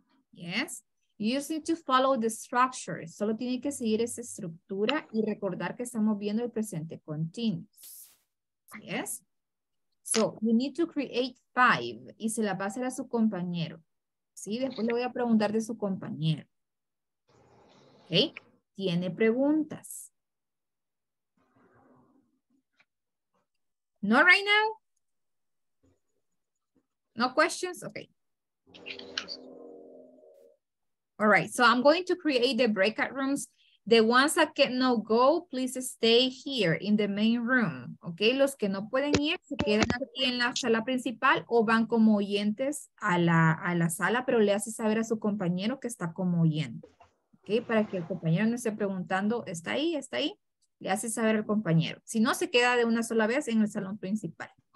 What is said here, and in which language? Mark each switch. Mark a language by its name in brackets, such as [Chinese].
[English] Yes, you just need to follow the structure. [Spanish] Solo tiene que seguir esa estructura y recordar que estamos viendo el presente continuous. [English] Yes, so you need to create five [Spanish] y se la va a hacer a su compañero. Sí, después le voy a preguntar de su compañero. Okay. Tiene preguntas. [English] Not right now? No questions? Okay. All right, so I'm going to create the breakout rooms. The ones that cannot go, please stay here in the main room. [Spanish] Okay, los que no pueden ir, se quedan aquí en la sala principal o van como oyentes a la sala, pero le hace saber a su compañero que está como oyente. Okay, para que el compañero no esté preguntando, ¿está ahí? ¿Está ahí? Le hace saber al compañero. Si no, se queda de una sola vez en el salón principal.